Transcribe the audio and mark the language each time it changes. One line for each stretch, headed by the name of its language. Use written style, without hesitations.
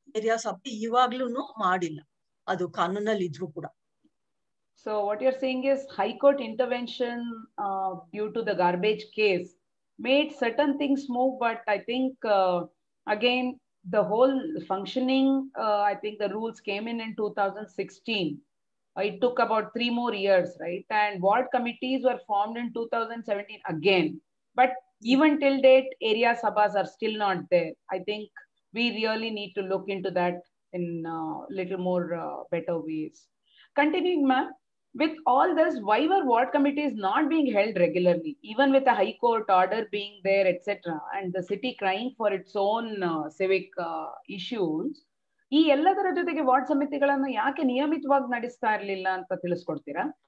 Kannada: Area ಸಭೆ ಇವಾಗ್ಲೂ ಮಾಡಿಲ್ಲ, ಅದು ಕಾನೂನಲ್ಲಿ ಇದ್ರು ಕೂಡ.
English: So what you are saying is high court intervention due to the garbage case made certain things move, but I think again the whole functioning, I think the rules came in 2016. It took about 3 more years, right? And ward committees were formed in 2017 again. But even till date, area sabhas are still not there. I think we really need to look into that in a little more better ways. Continuing, ma'am, with all this, why were ward committees not being held regularly, even with a high court order being there, etc., and the city crying for its own civic issues?
Kannada: ಈ ಎಲ್ಲದರ ಜೊತೆಗೆ ward ಸಮಿತಿಗಳನ್ನು ಯಾಕೆ ನಿಯಮಿತವಾಗಿ ನಡೆಸ್ತಾ ಇರಲಿಲ್ಲ ಅಂತ ತಿಳಿಸ್ಕೊಡ್ತೀರಾ?